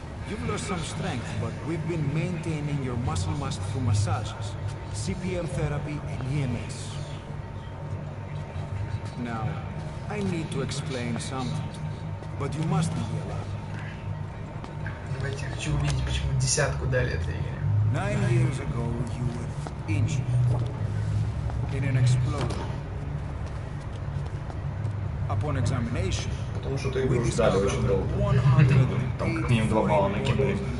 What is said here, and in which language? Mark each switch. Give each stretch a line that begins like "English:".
English: You've lost some strength, but we've been maintaining your muscle mass through massages, CPM therapy, and EMS. Now, I need to explain something, but you must be alive.
Russian: Давайте, хочу увидеть, почему десятку дали этой игре.
English: 9 years ago, you were injured in an explosion. Upon examination,
Russian: потому что эту игру ждали очень долго. Там как минимум 2 балла накидывали.